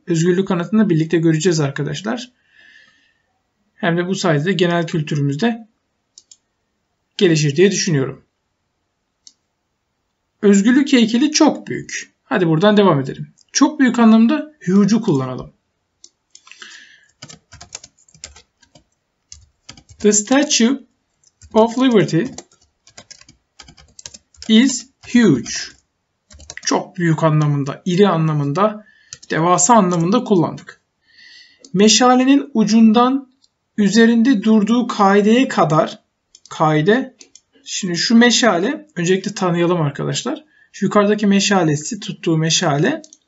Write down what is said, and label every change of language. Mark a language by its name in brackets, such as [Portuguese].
[Turkish] Özgürlük kanatında birlikte göreceğiz arkadaşlar. Hem de bu sayede genel kültürümüzde gelişir diye düşünüyorum. Özgürlük heykeli çok büyük. Hadi buradan devam edelim. Çok büyük anlamda huge'u kullanalım. [English] The Statue of Liberty is huge. [Turkish] Çok büyük anlamında, iri anlamında, devasa anlamında kullandık. Meşalenin ucundan üzerinde durduğu kaideye kadar, kaide, şimdi şu meşale, öncelikle tanıyalım arkadaşlar. Şu yukarıdaki meşalesi, tuttuğu meşale.